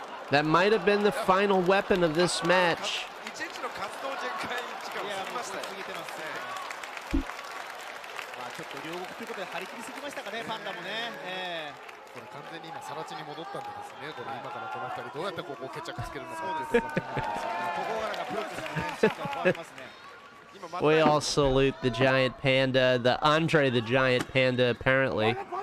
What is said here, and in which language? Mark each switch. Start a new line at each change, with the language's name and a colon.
English: That might have been the final weapon of this match.
Japanese: ました。まあちょっと両国ということで張り切りすぎましたかね、パンダもね。これ完全に今更地に戻ったんでですね、これ今からこの二人どうやってここを決着つけるのかというところなんですよね。ここからがプロですね。
English: We all salute the giant panda, the Andre the giant panda, apparently.